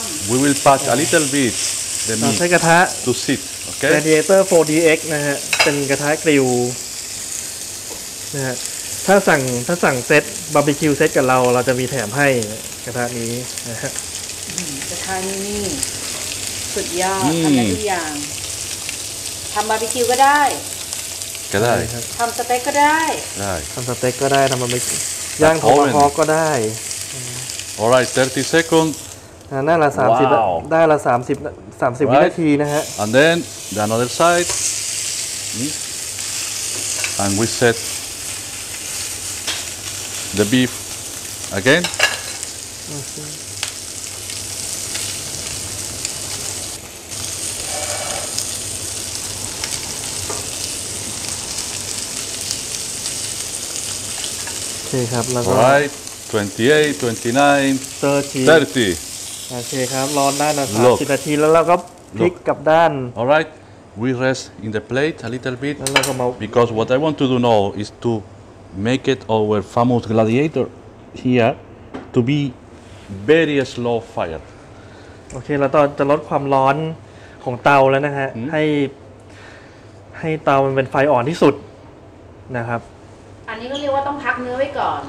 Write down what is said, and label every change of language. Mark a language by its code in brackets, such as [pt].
[en] We will patch a little bit the meat to sit. Okay? [th] Radiator 4DX, นะฮะ เป็นกระทะกริลนะฮะถ้าสั่งเซตบาร์บีคิวเซตกับเราจะมีแถมให้กระทะนี้ นะฮะ กระทะนี้สุดยอดทำได้ทุกอย่างทำบาร์บีคิวก็ได้ก็ได้ครับ ทำสเต็กก็ได้ได้ ทำสเต็กก็ได้ทำบาร์บีคิวย่างโทมาฮอคก็ได้ [en] alright 30 seconds [th] น่าละ30 [en] wow. [th] ได้ละ30 [en] right. [th] วินาทีนะฮะ [en] and then the another side and we setThe beef again. [th] Okay, ครับ แล้วก็ [en] Right, 28, 29, 30. [th] Okay, ครับ รอด้านนะ 30 นาที แล้วเราก็พลิกกลับด้าน [en] All right, we rest in the plate a little bit. [th] แล้วก็มา [en] Because what I want to do now is toMake it our famous gladiator here to be very slow fire. [th] Okay, เราต้องจะลดความร้อนของเตาแล้วนะฮะ ให้เตามันเป็นไฟอ่อนที่สุดนะครับ อันนี้ก็เรียกว่าต้องพักเนื้อไว้ก่อน